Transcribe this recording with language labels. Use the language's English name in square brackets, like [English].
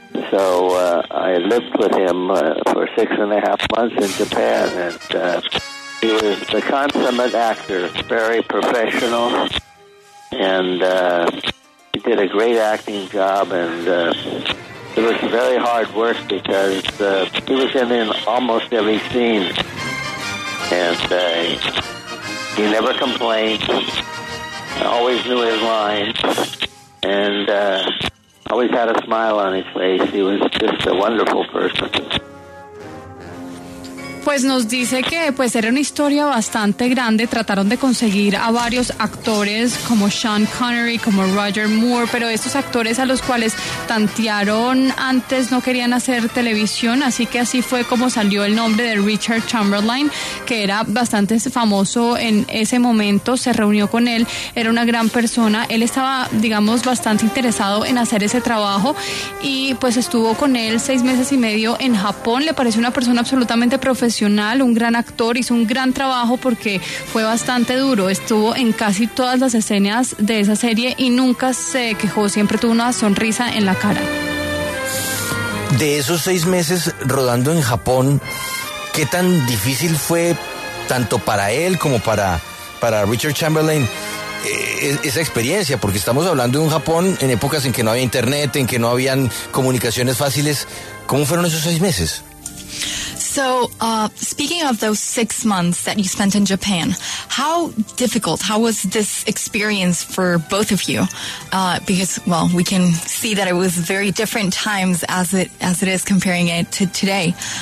[English] So I lived with him for 6.5 months in Japan, and he was the consummate actor, very professional, and he did a great acting job, and it was very hard work because he was in almost every scene, and he never complained, always knew his lines, and always had a smile on his face. He was just a wonderful person. [Spanish] Pues nos dice que pues era una historia bastante grande. Trataron de conseguir a varios actores como Sean Connery, como Roger Moore, pero estos actores a los cuales tantearon antes no querían hacer televisión, así que así fue como salió el nombre de Richard Chamberlain, que era bastante famoso en ese momento. Se reunió con él, era una gran persona. Él estaba, digamos, bastante interesado en hacer ese trabajo y pues estuvo con él 6.5 meses en Japón. Le pareció una persona absolutamente profesional, un gran actor, hizo un gran trabajo porque fue bastante duro, estuvo en casi todas las escenas de esa serie y nunca se quejó, siempre tuvo una sonrisa en la cara. De esos 6 meses rodando en Japón, ¿qué tan difícil fue tanto para él como para Richard Chamberlain esa experiencia? Porque estamos hablando de un Japón en épocas en que no había internet, en que no habían comunicaciones fáciles. ¿Cómo fueron esos 6 meses? [English] So, speaking of those 6 months that you spent in Japan, how was this experience for both of you? Because we can see that it was very different times as it is comparing it to today.